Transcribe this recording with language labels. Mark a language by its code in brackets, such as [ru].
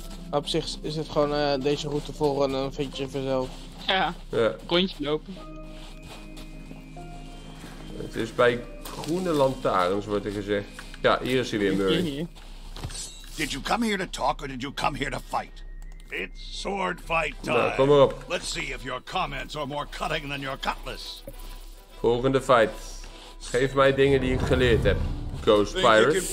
[nl] Op zich is het gewoon deze route volgen en dan vind je vanzelf. Ja, ja. Rondje lopen. Het is bij groene lantaarns, wordt er gezegd. Ja, hier is hij weer, Murray. [en] Did you come here to talk or did you come here to fight? It's sword fight time. [nl] Nou, kom maar op. [en] Let's see if your comments are more cutting than your cutlass. [nl] Volgende fight. Geef mij dingen die ik geleerd heb, Ghost Pirate.